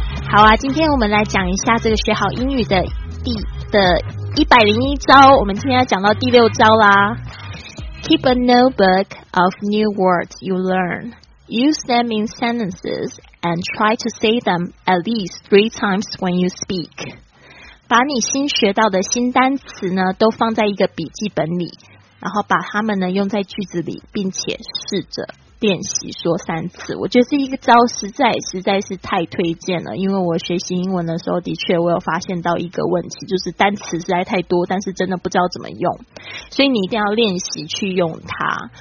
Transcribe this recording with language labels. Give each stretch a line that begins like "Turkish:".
Chinese: 好啊，今天我们来讲一下这个学好英语的101招，我们今天要讲到第六招啦。
English: Keep a notebook of new words you learnUse them in sentences and try to say them at least 3 times when you speak.
Chinese: 把你新学到的新单词呢都放在一个笔记本里，然后把它们呢用在句子里，并且试着练习说三次，我觉得这一个招实在是太推荐了。因为我学习英文的时候，的确我有发现到一个问题，就是单词实在太多，但是真的不知道怎么用，所以你一定要练习去用它。